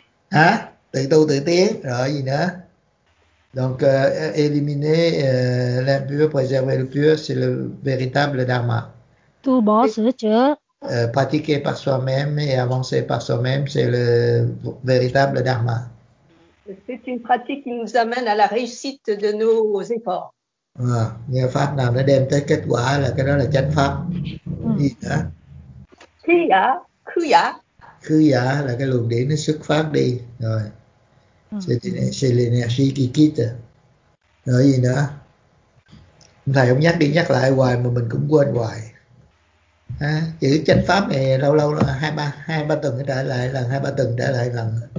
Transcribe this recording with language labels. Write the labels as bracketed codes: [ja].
[vi] Hả? Tự tu tự tiến. Rồi gì nữa? [fr] Donc, éliminer l'impur, préserver le pur, c'est le véritable dharma. [vi] Tu bỏ sửa chữa. [fr] Pratiquer par soi-même et avancer par soi-même, c'est le véritable dharma. C'est une pratique qui nous amène à la réussite de nos efforts. [vi] Nghe pháp nào nó đem tới kết quả là cái đó là chánh pháp. Gì nữa? Kriya, kriya. Kriya là cái luồng điển nó xuất phát đi rồi. [fr] C'est l'énergie qui quitte. [vi] Rồi gì nữa? Thầy không nhắc đi nhắc lại hoài mà mình cũng quên hoài. À, chữ chánh pháp này lâu lâu là hai ba tuần nó trở lại lần, hai ba tuần trở lại lần.